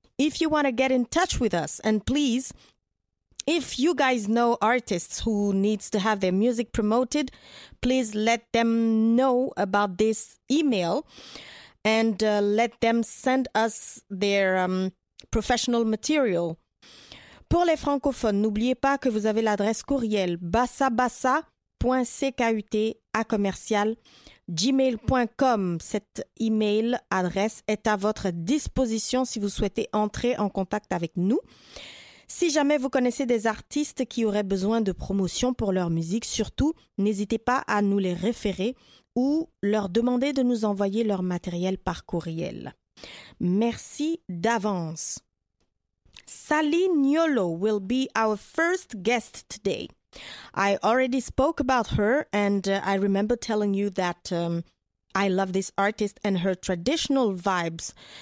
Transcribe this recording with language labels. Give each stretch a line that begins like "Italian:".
English: If you want to get in touch with us, and please, if you guys know artists who needs to have their music promoted, please let them know about this email and let them send us their professional material.
French: Pour les francophones, n'oubliez pas que vous avez l'adresse courriel bassabassa.ckut@gmail.com. Cette email adresse est à votre disposition si vous souhaitez entrer en contact avec nous. Si jamais vous connaissez des artistes qui auraient besoin de promotion pour leur musique, surtout, n'hésitez pas à nous les référer ou leur demander de nous envoyer leur matériel par courriel. Merci d'avance.
English: Sally Nyolo will be our first guest today. I already spoke about her and I remember telling you that I love this artist and her traditional vibes.